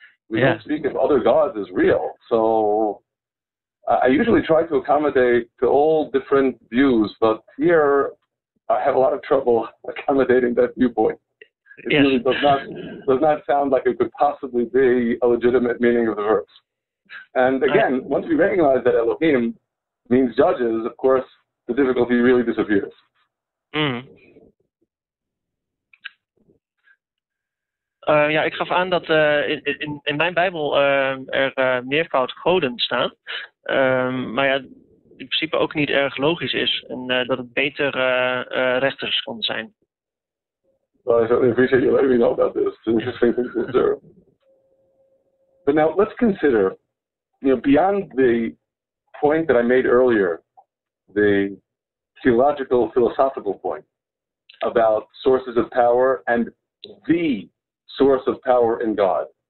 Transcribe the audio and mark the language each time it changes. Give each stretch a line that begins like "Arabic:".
English: We don't speak of other gods as real. So I usually try to accommodate to all different views, but here I have a lot of trouble accommodating that viewpoint. It really does not sound like it could possibly be a legitimate meaning of the verse. And again, once we recognize that Elohim means judges, of course, the difficulty really disappears. Mm.
Dutch: Ja, ik gaf aan dat in mijn Bijbel meervoud goden staan. Maar ja, in principe ook niet erg logisch is. En dat het beter rechters kon zijn.
English: Well, I certainly appreciate you letting me know about this. It's an interesting thing to observe. But now, let's consider, you know, beyond the point that I made earlier, the theological, philosophical point about sources of power and the source of power in God.